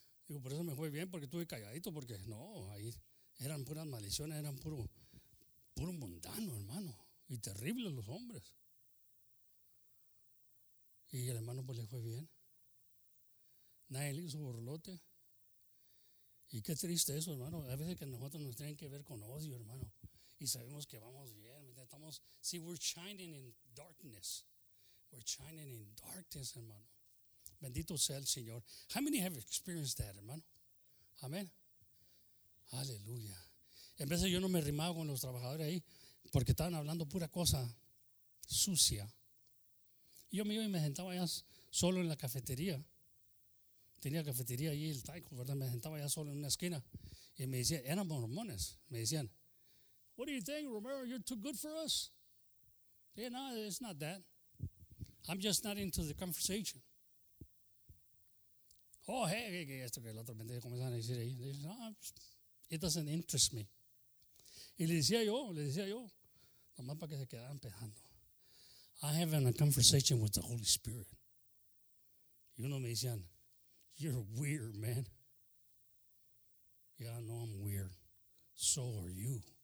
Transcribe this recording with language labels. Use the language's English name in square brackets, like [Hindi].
[Spanish] Digo, por eso me fue bien, porque estuve calladito, porque no, ahí eran puras maldiciones, eran puro mundano, hermano, y terribles los hombres. Y el hermano, pues, le fue bien. Nadie le hizo burlote. Y qué triste eso, hermano. A veces que nosotros nos tienen que ver con odio, hermano. Y sabemos que vamos bien. Estamos, [English] see, we're shining in darkness. We're shining in darkness, hermano. [Spanish] Bendito sea el Señor. [English] How many have experienced that, hermano? [Spanish] Amén. Aleluya. En vez de yo no me rimaba con los trabajadores ahí, porque estaban hablando pura cosa sucia. Yo me iba y me sentaba allá solo en la cafetería. Tenía cafetería ahí, el taiko, ¿verdad? Me sentaba allá solo en una esquina. Y me decían, eran mormones. Me decían, [English] what do you think, Romero? You're too good for us? Yeah, no, it's not that. I'm just not into the conversation. [Spanish] Oh, hey, esto que el otro pendejo comenzaron a decir ahí. [English] They said, oh, it doesn't interest me. [Spanish] Y le decía yo, nomás para que se quedaran pensando. [English] I have a conversation with the Holy Spirit. [Spanish] Y uno me decían, [English] you're weird, man. Yeah, I know I'm weird. So are you.